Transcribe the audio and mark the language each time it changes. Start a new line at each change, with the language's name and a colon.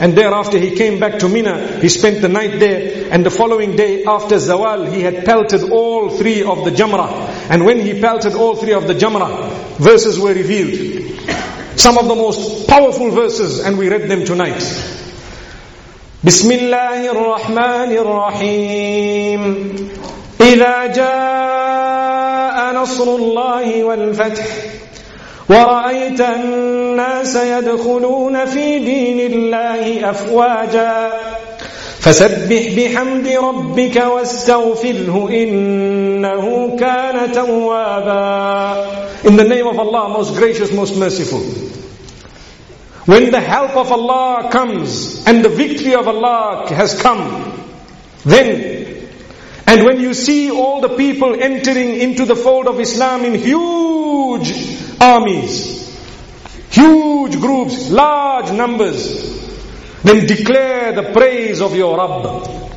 English: And thereafter he came back to Mina, he spent the night there, and the following day after Zawal he had pelted all three of the Jamrah. And when he pelted all three of the Jamrah, verses were revealed. Some of the most powerful verses, and we read them tonight.
Arabic: بسم الله الرحمن الرحيم إذا جاء نصر الله والفتح ورأيت الناس يدخلون في دين الله أفواجا فسبح بحمد ربك واستغفره إنه كان توابا.
English: In the name of Allah, most gracious, most merciful. When the help of Allah comes and the victory of Allah has come, then, and when you see all the people entering into the fold of Islam in huge armies, huge groups, large numbers, then declare the praise of your Rabb.